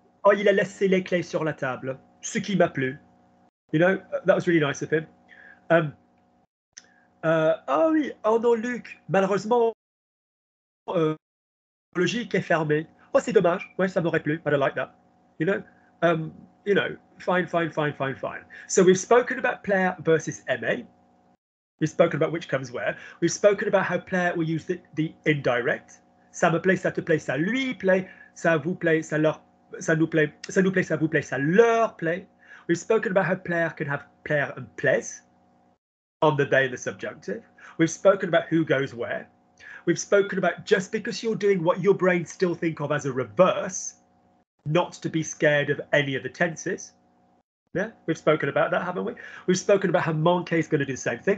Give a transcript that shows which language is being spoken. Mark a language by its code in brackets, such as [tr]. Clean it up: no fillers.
[fr] Oh, il a laissé les clés sur la table. Ce qui m'a plu. [en] You know, that was really nice of him. [fr] Oh non, Luc, malheureusement, logique est fermée. Oh, c'est dommage. Ouais, ça m'aurait plu. [en] But I like that. Fine. So we've spoken about plaire versus aimer. We've spoken about which comes where. We've spoken about how plaire will use the indirect. [fr] Ça me plaît, ça te plaît, ça lui plaît, ça vous plaît, ça leur plaît. Ça nous plaît, ça vous plaît, ça leur plaît. [en] We've spoken about how plaire can have plaire and plaise on the day in the subjunctive. We've spoken about who goes where. we've spoken about just because you're doing what your brain still think of as a reverse, not to be scared of any of the tenses. Yeah, we've spoken about that, haven't we? We've spoken about how manquer is going to do the same thing.